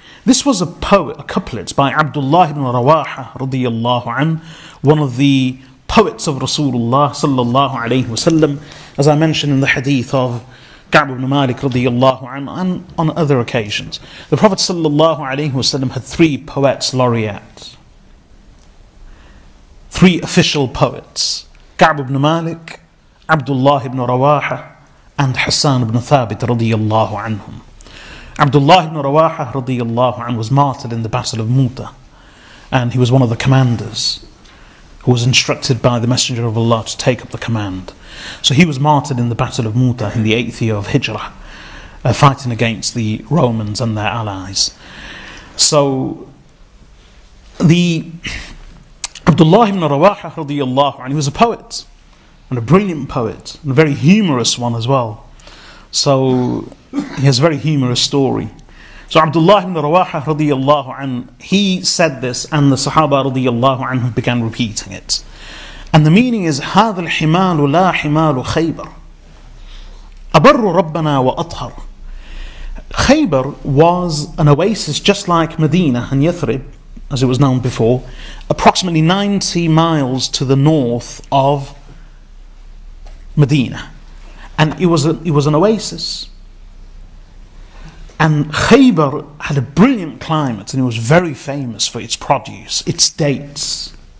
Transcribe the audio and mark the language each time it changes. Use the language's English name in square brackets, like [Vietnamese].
[English] This was a poet, a couplet by Abdullah ibn Rawaha radiyallahu anhu, one of the poets of Rasulullah sallallahu alayhi wasallam, as I mentioned in the hadith of Ka'b ibn Malik radiyallahu anhu, and on other occasions. The Prophet sallallahu alayhi wasallam had three poets laureates. Three official poets, Ka'b ibn Malik, [Arabic] عبد الله بن رواحة عند حسان بن ثابت رضي الله عنهم. [English] عبد الله بن رواحة رضي الله عنه was martyred in the Battle of Mu'tah, and he was one of the commanders who was instructed by the Messenger of Allah to take up the command. So he was martyred in the Battle of Mu'tah in the 8th year of Hijrah, fighting against the Romans and their allies. So the Abdullah ibn Rawaha radiyallahu anhu, he was a poet, and a brilliant poet, and a very humorous one as well. So he has a very humorous story. So Abdullah ibn Rawaha radiyallahu anhu, he said this, and the Sahaba radiyallahu anhu began repeating it. And the meaning is, [Arabic] هذا الحمال لا حمال خيبر أبر ربنا وأطهر. [English] Khaybar was an oasis just like Medina and Yathrib, as it was known before, approximately 90 miles to the north of Medina. And it was an oasis. And Khaybar had a brilliant climate, and it was very famous for its produce, its dates.